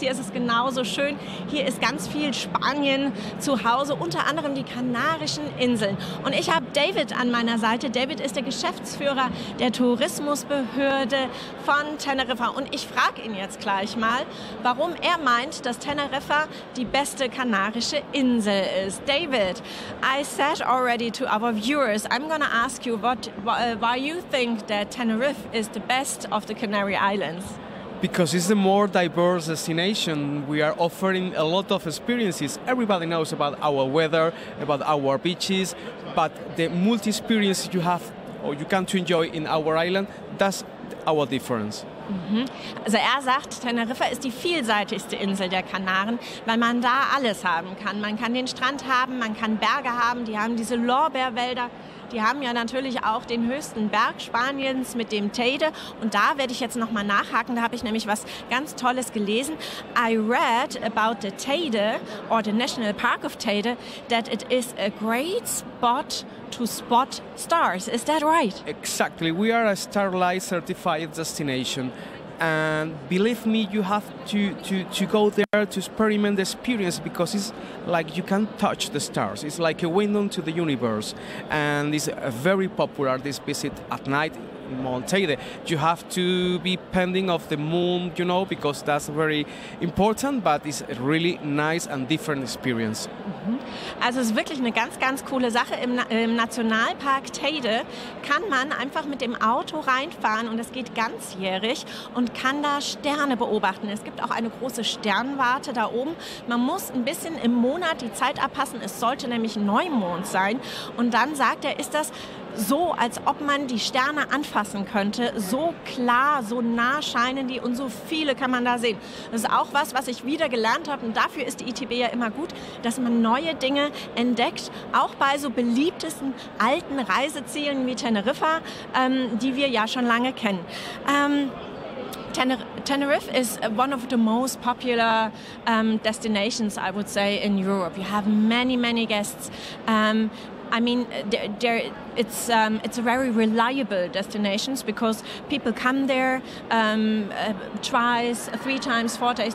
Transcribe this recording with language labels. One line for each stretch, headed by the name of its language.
German: Hier ist es genauso schön. Hier ist ganz viel Spanien zu Hause, unter anderem die Kanarischen Inseln. Und ich habe David an meiner Seite. David ist der Geschäftsführer der Tourismusbehörde von Teneriffa. Und ich frage ihn jetzt gleich mal, warum er meint, dass Teneriffa die beste kanarische Insel ist.
English: David, I said already to our viewers, I'm going to ask you why you think that Tenerife is the best of the Canary Islands. Because it's the more diverse destination. We are offering a lot of experiences. Everybody knows about our weather, about our beaches, but the multi-experience you have or you can to enjoy in our island, that's our difference.
German: Also er sagt, Teneriffa ist die vielseitigste Insel der Kanaren, weil man da alles haben kann. Man kann den Strand haben, man kann Berge haben, die haben diese Lorbeerwälder, die haben ja natürlich auch den höchsten Berg Spaniens mit dem Teide. Und da werde ich jetzt nochmal nachhaken, da habe ich nämlich was ganz Tolles gelesen.
English: I read about the Teide or the National Park of Teide that it is a great spot to spot stars. Is that right? Exactly. We are a Starlight certified destination. And believe me, you have to go there to experiment the experience, because it's like you can touch the stars. It's like a window to the universe. And it's a very popular this visit at night in Mount Teide. You have to be pending of the moon, you know, because that's very important, but it's a really nice and different experience.
German: Also es ist wirklich eine ganz, ganz coole Sache. Im Nationalpark Teide kann man einfach mit dem Auto reinfahren und es geht ganzjährig und kann da Sterne beobachten. Es gibt auch eine große Sternwarte da oben. Man muss ein bisschen im Monat die Zeit abpassen. Es sollte nämlich Neumond sein. Und dann sagt er, ist das so, als ob man die Sterne anfassen könnte. So klar, so nah scheinen die und so viele kann man da sehen. Das ist auch was, was ich wieder gelernt habe. Und dafür ist die ITB ja immer gut, dass man neue Dinge entdeckt, auch bei so beliebtesten alten Reisezielen wie Teneriffa, die wir ja schon lange kennen.
English: Teneriffa is one of the most popular destinations, I would say, in Europe. You have many, many guests. I mean, it's a very reliable destination because people come there twice, three times, four days.